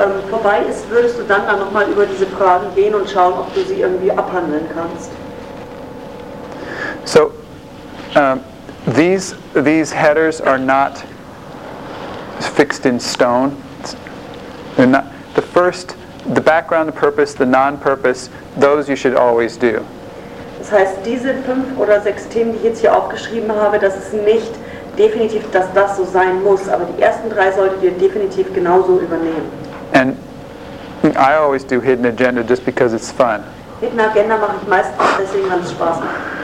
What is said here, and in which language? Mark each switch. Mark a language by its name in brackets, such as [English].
[German] Vorbei ist, würdest du dann nochmal über diese Fragen gehen und schauen, ob du sie irgendwie abhandeln kannst. [English] So, these headers are not fixed in stone. They're not the first, the background, the purpose, the non-purpose. Those you should always do. [German] Das heißt, diese fünf oder sechs Themen, die ich jetzt hier aufgeschrieben habe, das ist nicht definitiv, dass das so sein muss, aber die ersten drei solltet ihr definitiv genauso übernehmen. [English] And I always do hidden agenda just because it's fun. [German] Hidden Agenda mache ich meistens deswegen, weil es Spaß macht.